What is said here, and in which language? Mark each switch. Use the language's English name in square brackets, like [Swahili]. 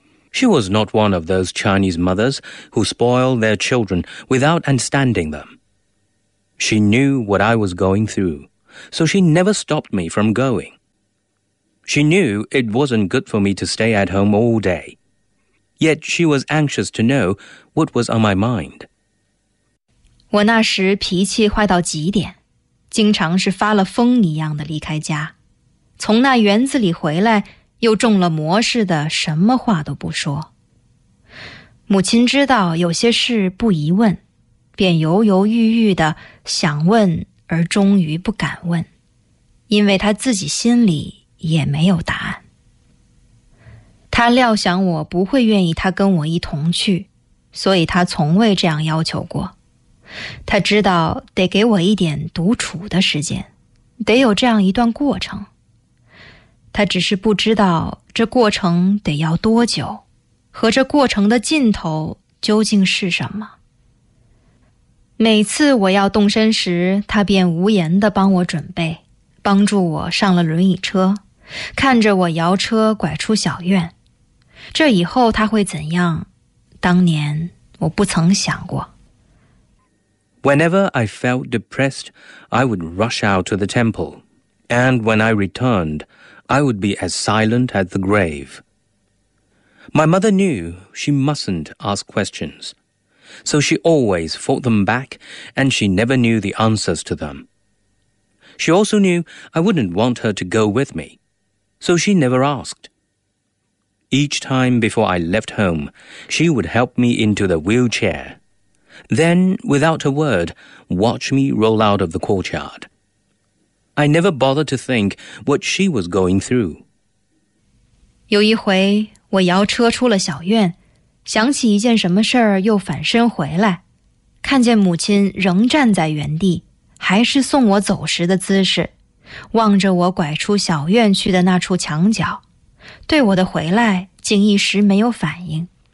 [English] She was not one of those Chinese mothers who spoil their children without understanding them. She knew what I was going through, so she never stopped me from going. She knew it wasn't good for me to stay at home all day. Yet she was anxious to know what was on my mind. [Chinese] 我那时脾气坏到极点，经常是发了疯一样的离开家，从那园子里回来又中了魔似的，什么话都不说。母亲知道有些事不宜问，便犹犹豫豫的想问而终于不敢问，因为她自己心里也没有答案。她料想我不会愿意她跟我一同去，所以她从未这样要求过。她知道得给我一点独处的时间，得有这样一段过程。她只是不知道这过程得要多久，和这过程的尽头究竟是什么。每次我要动身时，他便无言地帮我准备，帮助我上了轮椅车，看着我摇车拐出小院。这以后他会怎样，当年我不曾想过。 [English] Whenever I felt depressed, I would rush out to the temple, and when I returned, I would be as silent as the grave. My mother knew she mustn't ask questions. So she always fought them back, and she never knew the answers to them. She also knew I wouldn't want her to go with me, so she never asked. Each time before I left home, she would help me into the wheelchair, then, without a word, watch me roll out of the courtyard. I never bothered to think what she was going through. [Chinese] 有一回，我摇车出了小院，想起一件什么事儿，又返身回来，看见母亲仍站在原地，还是送我走时的姿势，望着我拐出小院去的那处墙角，对我的回来竟一时没有反应。